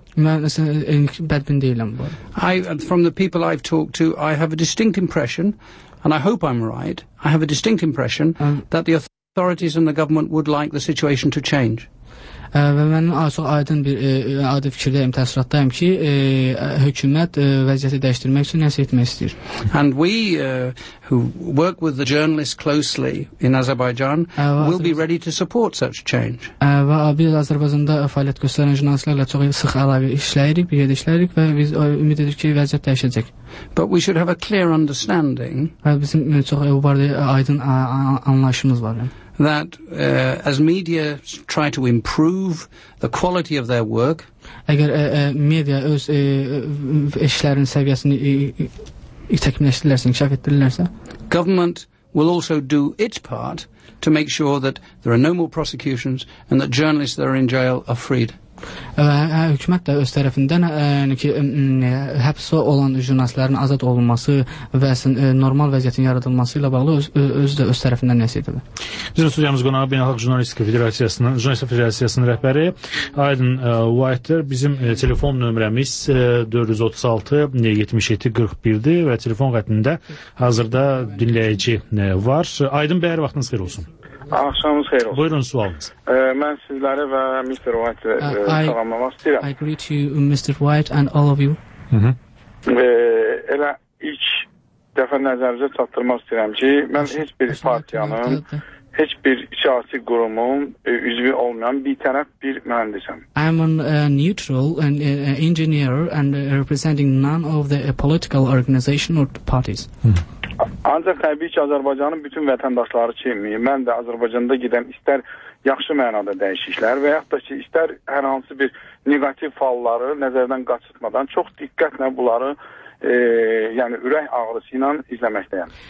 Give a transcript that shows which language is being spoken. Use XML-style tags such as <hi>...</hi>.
<az>Mən əslində bədbin deyiləm bu.</az> <en>From the people I've talked to, I have a distinct impression, and I hope I'm right, I have a distinct impression that the authorities and the government would like the situation to change.</en> <az>Və mən çox aydın bir adi fikirdəyim, təsiratdayım ki, hökumət vəziyyəti dəyişdirmək üçün nəsə etmək istəyir.</az> <en>And we who work with the journalists closely in Azerbaijan will be ready to support such change.</en> <az>Və biz Azərbaycanda fəaliyyət göstərən jurnalistlərlə çox sıx əlaqə işləyirik, bir yerdə işləyirik və biz ümid edirik ki, vəziyyət dəyişəcək.</az> <en>But we should have a clear understanding.</en> <az>Və bizim çox bu barədə aydın anlayışımız var.</az> <en>That as media try to improve the quality of their work,</en> <az>əgər media öz işlərinin səviyyəsini təkmilləşdirirlərsə, inkişaf etdirirlərsə,</az> <en>government will also do its part to make sure that there are no more prosecutions and that journalists that are in jail are freed.</en> <az>Hökumət də öz tərəfindən ki, həbsdə olan jurnalistlərin azad olunması və normal vəziyyətin yaradılması ilə bağlı özü də öz tərəfindən nəsə edir. Bizim studiyamız qonağı Beynəlxalq Jurnalistika Federasiyasının, Jurnalistika Federasiyasının rəhbəri Aydın Whitedir. Bizim telefon nömrəmiz 436-77-41-dir və telefon qətində hazırda dinləyici var. Aydın bəyər, vaxtınız xeyir olsun. Axşamınız xeyir olsun. Buyurun, sualınız. Mən sizləri və Mr. White-ı salamlamaq istəyirəm.</az> <en>I greet you, Mr. White, and all of you.</en> <az>Elə ilk dəfə nəzərinizə çatdırmaq istəyirəm ki, mən heç bir partiyanın, heç bir siyasi qurumun üzvü olmayan bir tərəf bir mühəndisəm.</az> <en>I'm a neutral and engineer and representing none of the political organization or parties.</en> <az>Ancaq təbii ki, Azərbaycanın bütün vətəndaşları kimi, mən də Azərbaycanda gedən istər yaxşı mənada dəyişikliklər və yaxud da ki, istər hər hansı bir neqativ falları nəzərdən qaçırtmadan çox diqqətlə bunları yəni ürək ağrısı ilə izləməkdəyəm.</az>